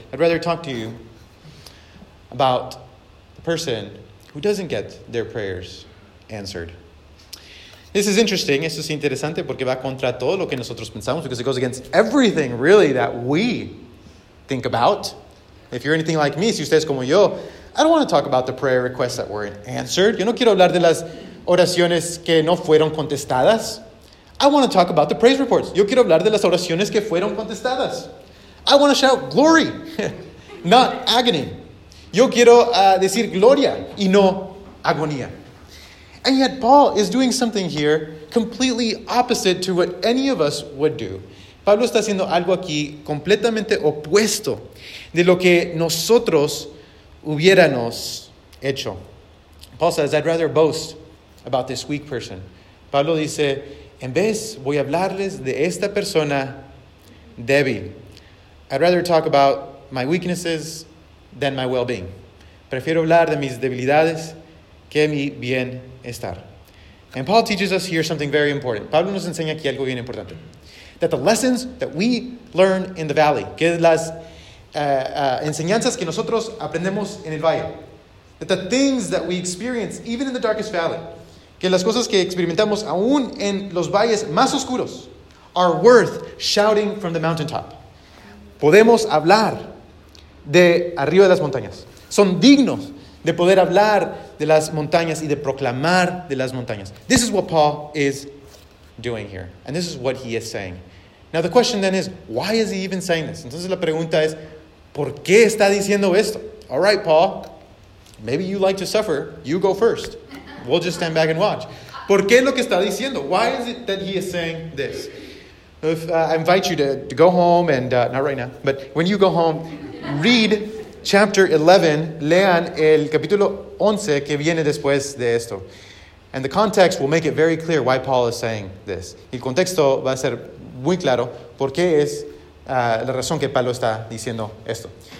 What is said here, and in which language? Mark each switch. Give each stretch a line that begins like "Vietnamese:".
English: I'd rather talk to you about the person who doesn't get their prayers answered. This is interesting,
Spanish: esto es interesante porque va contra todo lo que nosotros pensamos,
English: because it goes against everything really that we think about. If you're anything like me,
Spanish: si usted es como yo,
English: I don't want to talk about the prayer requests that weren't answered.
Spanish: Yo no quiero hablar de las oraciones que no fueron contestadas.
English: I want to talk about the praise reports.
Spanish: Yo quiero hablar de las oraciones que fueron contestadas.
English: I want to shout glory, not agony.
Spanish: Yo quiero decir gloria y no agonía.
English: And yet Paul is doing something here completely opposite to what any of us would do.
Spanish: Pablo está haciendo algo aquí completamente opuesto de lo que nosotros hubiéramos hecho.
English: Paul says, I'd rather boast about this weak person.
Spanish: Pablo dice, en vez voy a hablarles de esta persona débil.
English: I'd rather talk about my weaknesses than my well-being.
Spanish: Prefiero hablar de mis debilidades que mi bienestar.
English: And Paul teaches us here something very important.
Spanish: Pablo nos enseña aquí algo bien importante.
English: That the lessons that we learn in the valley,
Spanish: que las enseñanzas que nosotros aprendemos en el valle,
English: that the things that we experience even in the darkest valley,
Spanish: que las cosas que experimentamos aún en los valles más oscuros,
English: are worth shouting from the mountaintop.
Spanish: Podemos hablar de arriba de las montañas. Son dignos de poder hablar de las montañas y de proclamar de las montañas.
English: This is what Paul is doing here, and this is what he is saying. Now the question then is, why is he even saying this?
Spanish: Entonces la pregunta es, ¿por qué está diciendo esto?
English: All right, Paul, maybe you like to suffer. You go first. We'll just stand back and watch.
Spanish: ¿Por qué lo que está diciendo?
English: Why is it that he is saying this? If, I invite you to go home and, not right now, but when you go home, read chapter 11.
Spanish: Lean el capítulo 11 que viene después de esto.
English: And the context will make it very clear why Paul is saying this.
Spanish: El contexto va a ser muy claro por qué es la razón que Pablo está diciendo esto.